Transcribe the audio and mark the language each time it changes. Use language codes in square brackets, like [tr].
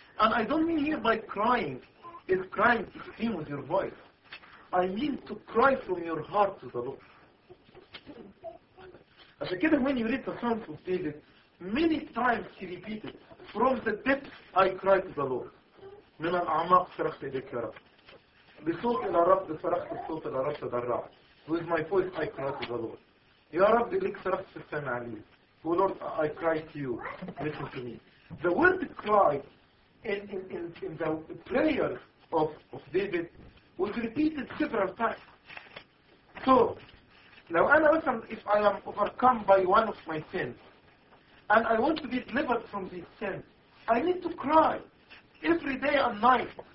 [en] And I don't mean here by crying is crying to scream with your voice. I mean to cry from your heart to the Lord. As a kid, when you read the Psalms of David, many times he repeated, from the depths I cry to the Lord. [ar] من الأعماق صرخت إليك يا رب. بصوت إلى رب صرخت بصوت إلى رب تضرع. [en] With my voice I cry to the Lord. [ar] يا رب إليك صرخت في السماء علي. [en] Oh Lord, I cry to you. Listen to me. The word cry in the prayer of David was repeated several times. So, now, [ar] أنا مثلا, [en] if I am overcome by one of my sins, and I want to be delivered from these sins, I need to cry every day and night.